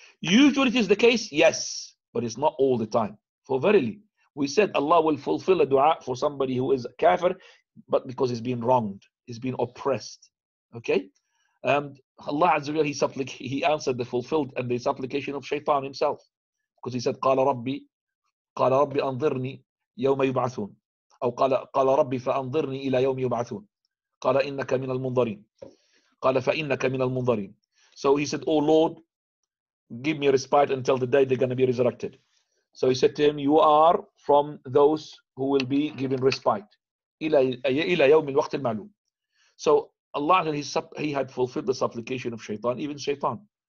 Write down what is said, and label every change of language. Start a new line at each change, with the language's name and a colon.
English: Usually it is the case, yes, but it's not all the time. For verily, we said Allah will fulfill a dua for somebody who is a kafir, but because he's been wronged, he's been oppressed. Okay? And Allah Azza wa Jal, he answered the fulfilled and the supplication of Shaytan himself. Because he said,
Arabic: قَالَ رَبِّي قَالَ رَبِّ أَنظِرْنِي يَوْمَ يُبْعَثُونَ أو قَالَ رَبِّ فَأَنظِرْنِي إِلَى يَوْمِ يُبْعَثُونَ قَالَ إِنَّكَ مِنَ الْمُنظَرِينَ قَالَ فَإِنَّكَ مِنَ الْمُنظَرِينَ.
English: So he said, oh Lord, give me respite until the day they're going to be resurrected. So he said to him, you are from those who will be given respite.
Arabic: إِلَى يَوْمِ الْوَقْتِ الْمَعْلُومِ.
English: So Allah, he had fulfilled the supplication of Shaytan, even Shaytan.